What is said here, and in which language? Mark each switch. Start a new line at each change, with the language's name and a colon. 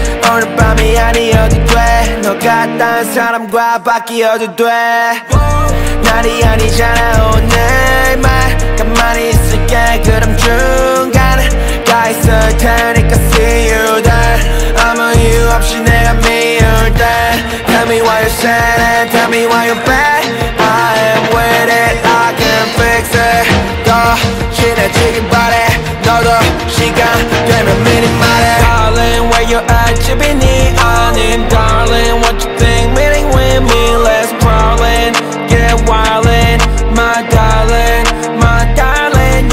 Korean: 오늘 밤이 아니어도 돼. 너가 딴 사람과 바뀌어도 돼. 날이 아니잖아 오늘만. 가만히 있을게 그럼 중간에 가 있을 테니까
English: see you there.
Korean: 아무 이유 없이 내가 미울 때
English: tell me why you're sad and tell me why you're bad. I am with it, I can fix it.
Korean: 더 친해지길 바래. 너도 시간 되면 미리 말해.
English: Darling, where you at?
Korean: 집이 네 아닌 darling.
English: What you think? Meeting with me, let's prowling. Get wildin', my darling, my darling.